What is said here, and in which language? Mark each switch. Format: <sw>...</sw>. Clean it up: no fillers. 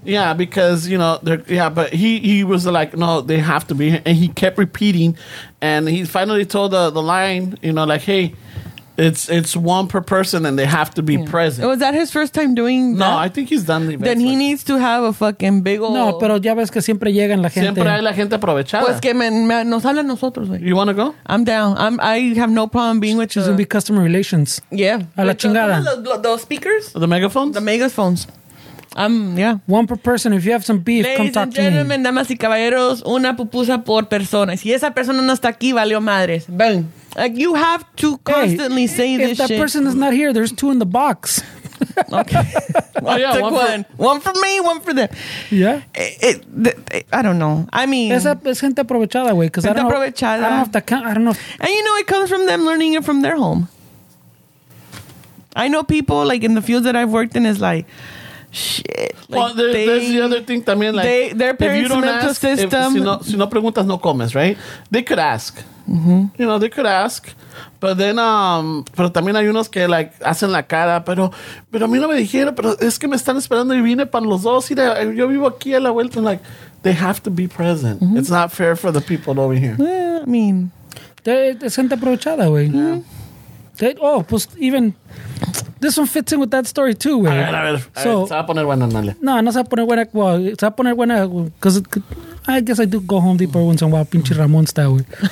<en>Yeah, because, you know, but he was like, no, they have to be here. And he kept repeating. And he finally told the line, you know, like, hey, it's one per person and they have to be present. Was that his first time doing that? No, I think he's done the event. Then he needs to have a fucking big old...</en> <es>No, pero ya ves que siempre llegan la gente. Siempre hay la gente aprovechada. Pues que nos hablan nosotros. Like.</es> <en>You want to go? I'm down. I have no problem being with you. She's going to be customer relations. Yeah.</en> <es>A la chingada.</es> <en>The speakers? The megaphones? The megaphones. Yeah. One per person. If you have some beef, ladies come talk to me. Ladies and gentlemen,</en> <es>damas y caballeros, una pupusa por persona. Si esa persona no está aquí, valió madres.</es> <en>Boom. Like, you have to constantly say this shit. If that person is not here, there's two in the box. Okay. Oh, yeah, one for me, one for them. Yeah. I don't know. I mean.</en> <es>Es gente aprovechada, güey. Gente aprovechada.</es> <en>I don't know. And you know, it comes from them learning it from their home. I know people, like, in the fields that I've worked in, is like, shit. Like, well, there's the other thing también. Like, their parents' mental ask, system.</en> <es>Si no preguntas, no comes,</es> <en>right? They could ask. Mm-hmm. You know, they could ask. But then,</en> <es>pero también hay unos que, like, hacen la cara. Pero a mí no me dijeron, pero es que me están esperando y vine para los dos. Y yo vivo aquí a la vuelta.</es> <en>I'm like, they have to be present.</en> <es>Mm-hmm.</es> <en>It's not fair for the people over here. Yeah, I mean,</en> <es>es gente aprovechada, güey.</es> <en>Yeah. Oh, pues, even... This one fits in with that story too, güey.</en> <es>A ver, se va a poner buena, dale. No, se va a poner buena,</es> <en>because I guess I do go Home Depot once in a while,</en> <es>pinche Ramon style, güey.</es>